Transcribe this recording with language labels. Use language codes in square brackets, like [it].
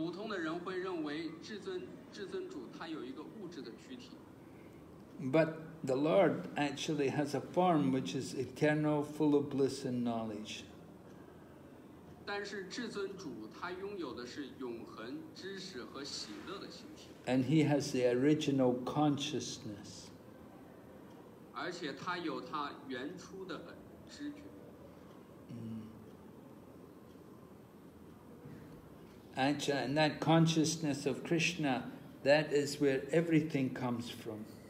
[zh] 普通的人会认为至尊主他有一个物质的躯体。 [en] But the Lord actually has a form which is eternal, full of bliss and knowledge. [zh] 但是至尊主他拥有的是永恒知识和喜乐的形体。 [en] And he has the original consciousness. [zh] 而且他有他原初的知觉。 [en] Actually, and that consciousness of Krishna, that is where everything comes from.